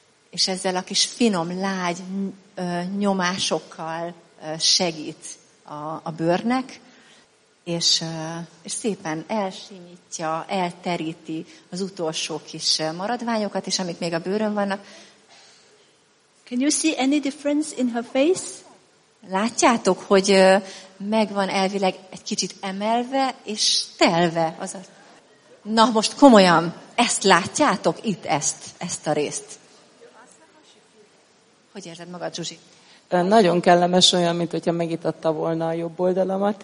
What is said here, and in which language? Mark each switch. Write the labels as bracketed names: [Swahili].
[Hungarian] És ezzel a kis finom, lágy nyomásokkal segít a bőrnek, és szépen elsinyitja, elteríti az utolsó kis maradványokat, és amik még a bőrön vannak. [English] Can you see any difference in her face? [Hungarian] Látjátok, hogy megvan elvileg egy kicsit emelve és telve az a... Na most komolyan, ezt látjátok itt, ezt a részt. Hogy érzed magad, Zsuzsi? Nagyon kellemes, olyan, mint hogyha megitatta volna a jobb oldalamat.